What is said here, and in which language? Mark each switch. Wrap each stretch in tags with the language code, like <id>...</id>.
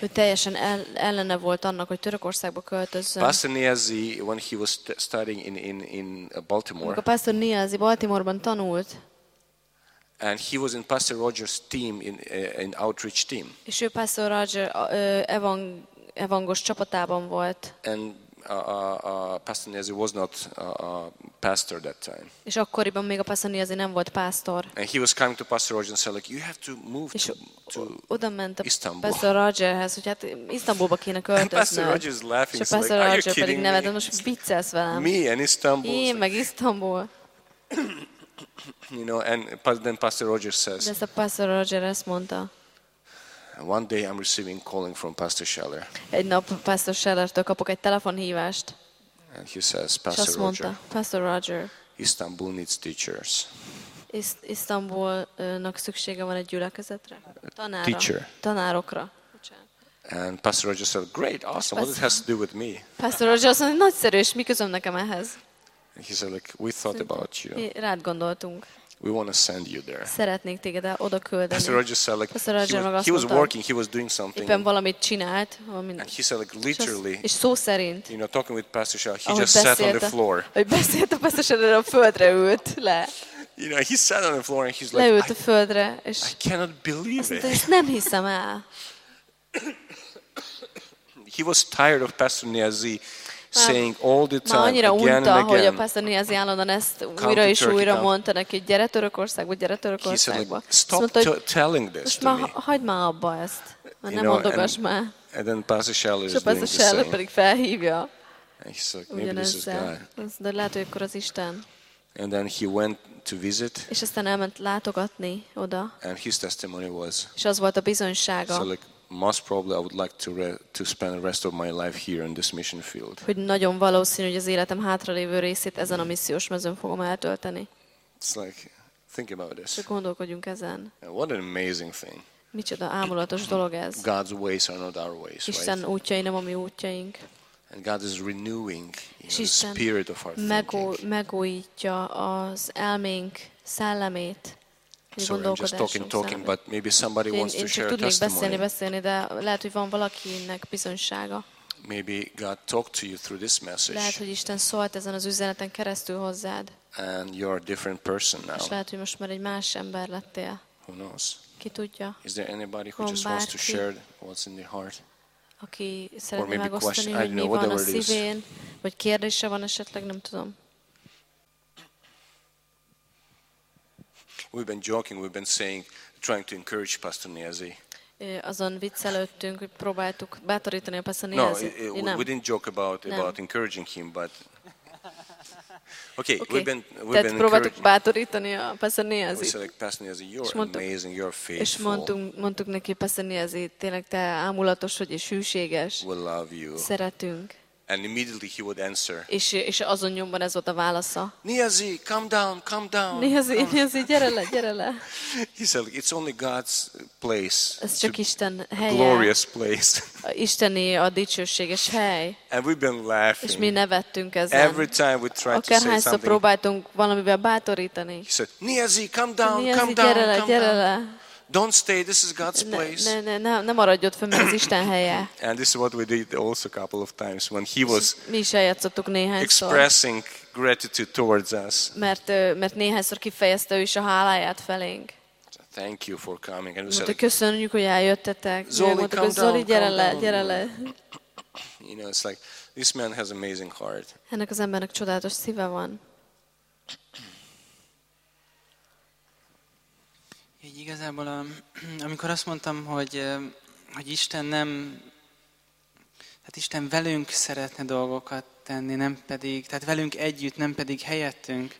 <hu>Ő teljesen ellene volt annak, hogy Törökországba költözzön.</hu> <en>Pastor Niazi, when he was studying in Baltimore.</en> <hu>Amikor Pastor Niazi Baltimoreban tanult.</hu> <en>And he was in Pastor Roger's team in outreach team.</en> <hu>És ő Pastor Roger evangos csapatában volt.</hu> <en>And Pastor Nezi was not pastor that time.</en> <hu>És akkoriban még a Pastor Nezi nem volt pastor.</hu> <en>And he was coming to Pastor Roger and said like, you have to move to</en> <hu>oda ment a</hu> <en>Istanbul.</en> <hu>Pastor Rogerhez, hogy hát Isztambulba kéne költözni.</hu> <en>Pastor Roger is laughing.</en> <hu>És a Pastor</hu> <en>like,</en> <hu>Roger pedig nevet, most viccelsz velem.</hu> <en>Me and Istanbul.</en> <hu>Én meg Isztambul.</hu> <en>You know, and then Pastor Roger says.</en> <hu>De Pastor Roger ezt mondta.</hu> <en>One day I'm receiving calling from Pastor Scheller.</en> <hu>Egy nap Pastor Schellertől kapok egy telefonhívást.</hu> <en>And he says, Pastor Roger.</en> <hu>Mondta, Pastor Roger.</hu> <en>Istanbul needs teachers.</en> <hu>Istanbulnak szüksége van egy gyülekezetre. Tanára.</hu> <en>Teacher.</en> <hu>Tanárokra.</hu> <en>And Pastor Roger said, great, awesome. What it has to do with me?</en> <hu>Pastor Roger azt mondta, nagyszerű, és mi közöm nekem ehhez?</hu> <en>He said, like, we thought about you.</en> <hu>Rád gondoltunk.</hu> <en>We want to send you there.</en> <hu>Szeretnék téged oda küldeni.</hu> <en>Pastor Roger said, like, he was working, he was doing something.</en> <hu>Éppen valamit csinált.</hu> <en>And he said, like, literally,</en> <hu>és szó szerint,</hu> <en>you know, talking with Pastor Shah, he just sat on the floor.</en> <hu>Ahogy beszélt a Pastor Shah, a földre ült le.</hu> <en>You know, he sat on the floor and he's like, I cannot believe it.</en> <hu>Azt mondta, nem hiszem el.</hu> <en>He was tired of Pastor Niazi saying all the time,</en> <hu>annyira unta,</hu> <en>again and again,</en> <hu>hogy a Pastor Niazi állandóan ezt újra és újra mondta neki, hogy gyere Törökországba, gyere Törökországba.</hu> <en>Stop telling this to me.</en> <hu>Most már hagyd már abba ezt, már nem mondogass már.</hu> <en>And then Pastor Shelley is doing the same.</en> <hu>Pastor Shelley pedig felhívja.</hu> <en>He's like, maybe this is God.</en> <hu>De lehet, hogy akkor az Isten.</hu> <en>And then he went to visit.</en> <hu>És aztán elment látogatni oda.</hu> <en>And his testimony was.</en> <hu>És az volt a bizonysága.</hu> <en>So like, most probably I would like to spend the rest of my life here in this mission field.</en> <hu>Hogy nagyon valószínű, hogy az életem hátralévő részét ezen a missziós mezőn fogom eltölteni.</hu> <en>It's like, think about this.</en> <hu>Csak gondolkodjunk ezen.</hu> <en>And what an amazing thing.</en> <hu>Micsoda ámulatos dolog ez.</hu> <en>God's ways are not our ways,</en> <hu>Isten útjai nem a mi útjaink.</hu> <en>And God is renewing, you know, the spirit of our thinking.</en> <hu>Megújítja az elménk szellemét.</hu> <en>Sorry, I'm just talking, but maybe somebody wants to share a testimony.</en> <hu>Beszélni, de lehet, hogy van valakinek bizonysága.</hu> <en>Maybe God talked to you through this message.</en> <hu>Lehet, hogy Isten szólt ezen az üzeneten keresztül hozzád.</hu> <en>And you're a different person now.</en> <hu>És lehet, hogy most már egy más ember lettél.</hu> <en>Who knows?</en> <hu>Ki tudja?</hu> <en>Is there anybody who just wants to share what's in their heart?</en> <hu>Aki szeretné megosztani, hogy mi van a szívén, vagy kérdése van esetleg, nem tudom.</hu> <en>We've been joking, we've been saying, trying to encourage Pastor Niazi.</en> <hu>Azon viccelődtünk, hogy próbáltuk bátorítani a Pastor Niazit.</hu> <en>No, we didn't joke about encouraging him, but okay, we've been</en> <hu>próbáltuk bátorítani a Pastor Niazit.</hu> <en>We said, like, Pastor Niazi, you're amazing, you're faithful.</en> <hu>És mondtuk neki, Pastor Niazi, tényleg te ámulatos vagy és hűséges.</hu> <en>We love you.</en> <hu>Szeretünk.</hu> <en>And immediately he would answer.</en> <hu>És azon nyomban ez volt a válasza.</hu> <en>Niazi, calm down.</en> <hu>Niazi, gyere le.</hu> <en>He said, like, it's only God's place.</en> <hu>Ez csak Isten helye.</hu> <en>Glorious place.</en> <hu>Isteni a dicsőséges hely.</hu> <en>And we've been laughing.</en> <hu>És mi nevettünk ezen.</hu> <en>Every time we tried to say something.</en> <hu>Akárhányszor próbáltunk valamivel bátorítani.</hu> <en>He said, Niazi, calm down.</en> <hu>Gyere le.</hu> <en>Don't stay, this is God's place.</en> <hu>Ne maradj ott fenn, ez Isten helye.</hu> <en>And this is what we did also a couple of times when he was expressing gratitude towards us.</en> <hu>Mert néhányszor kifejezte ő is a háláját felénk.</hu> <en>Thank you for coming. And we said,</en> <hu>köszönjük, hogy eljöttetek. Zoli, gyere le.</hu> <en>You know, it's like, this man has amazing heart.</en> <hu>Ennek az embernek csodálatos szíve van. Így igazából, amikor azt mondtam, hogy Isten nem, tehát Isten velünk szeretne dolgokat tenni, nem pedig, tehát velünk együtt, nem pedig helyettünk.</hu>